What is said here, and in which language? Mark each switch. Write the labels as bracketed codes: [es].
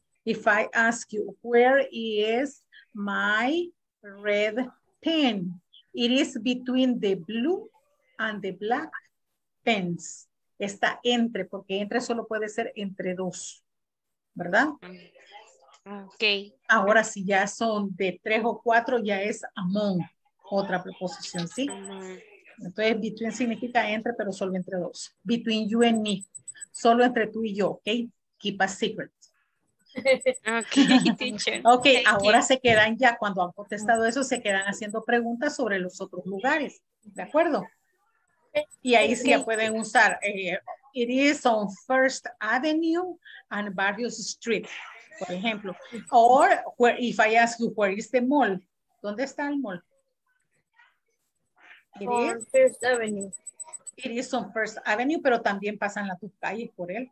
[en] If I ask you, where is my red pen? It is between the blue and the black pens. [es] Está entre, porque entre solo puede ser entre dos. ¿Verdad? Okay. Ahora, si ya son de tres o cuatro, ya es among. Otra preposición, ¿sí? Entonces, between significa entre, pero solo entre dos. [en] Between you and me. [es] Solo entre tú y yo, ¿ok? [en] Keep a secret. Ok, teacher. Ok, thank ahora you. [es] Se quedan ya, cuando han contestado eso, se quedan haciendo preguntas sobre los otros lugares, ¿de acuerdo? Y ahí sí ya pueden usar. [en] It is on First Avenue and Barrios Street, [es] por ejemplo. [en] Or, where, if I ask you, where is the mall? [es] ¿Dónde está el mall? [en] On First Avenue. It is on First Avenue, [es] pero también pasan las dos calles por él.